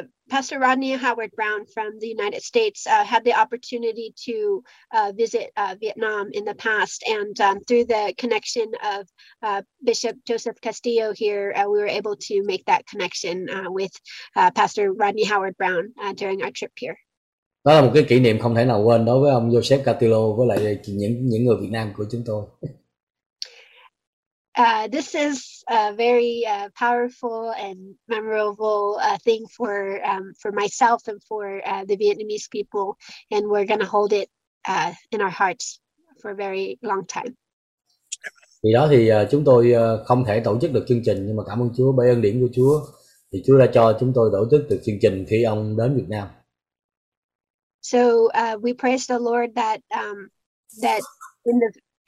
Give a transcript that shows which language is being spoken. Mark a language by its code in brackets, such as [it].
[en] Pastor Rodney Howard Brown from the United States had the opportunity to visit Vietnam in the past, and through the connection of Bishop Joseph Castillo here, we were able to make that connection with Pastor Rodney Howard Brown during our trip here. [vi] Đó là một cái kỷ niệm không thể nào quên đối với ông Joseph Catilo với lại những người Việt Nam của chúng tôi. [en] This is a very powerful and memorable thing for myself and for the Vietnamese people, and we're going to hold it in our hearts for a very long time. [vi] Vì đó thì chúng tôi không thể tổ chức được chương trình, nhưng mà cảm ơn Chúa, bởi ân điển của Chúa thì Chúa đã cho chúng tôi tổ chức được chương trình khi ông đến Việt Nam. [en] So we praise the Lord that that in the